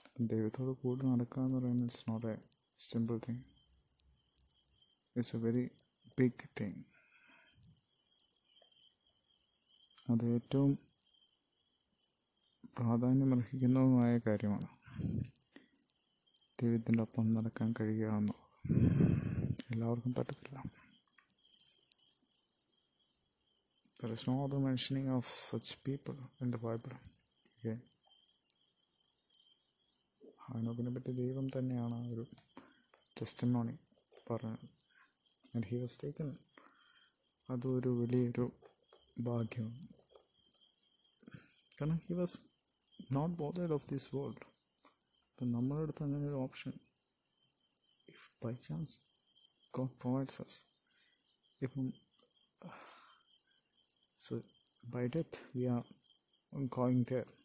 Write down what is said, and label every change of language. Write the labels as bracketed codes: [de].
[ml] ദൈവത്തോട് കൂടെ നടക്കുക എന്ന് പറയുന്നത് [en] It's not a simple thing, it's a very big thing. [ml] അത് ഏറ്റവും പ്രാധാന്യമർഹിക്കുന്നതുമായ കാര്യമാണ്, ദൈവത്തിൻ്റെ ഒപ്പം നടക്കാൻ കഴിയുക എന്നുള്ളത്. എല്ലാവർക്കും പറ്റത്തില്ല. [en] There is no other mentioning of such people in the Bible. Okay. [ml] അതിനൊക്കെ പറ്റി ദൈവം തന്നെയാണ് ആ ഒരു ടെസ്റ്റിമോണി പറഞ്ഞത്. [en] and he was taken, [ml] അതൊരു വലിയൊരു ഭാഗ്യമാണ്. കാരണം [en] He was not bothered of this world. [ml] അപ്പം നമ്മുടെ അടുത്ത് അങ്ങനെ ഒരു option, [en] if by chance God provides us, [ml] ഇപ്പം [en] So by death we are going there.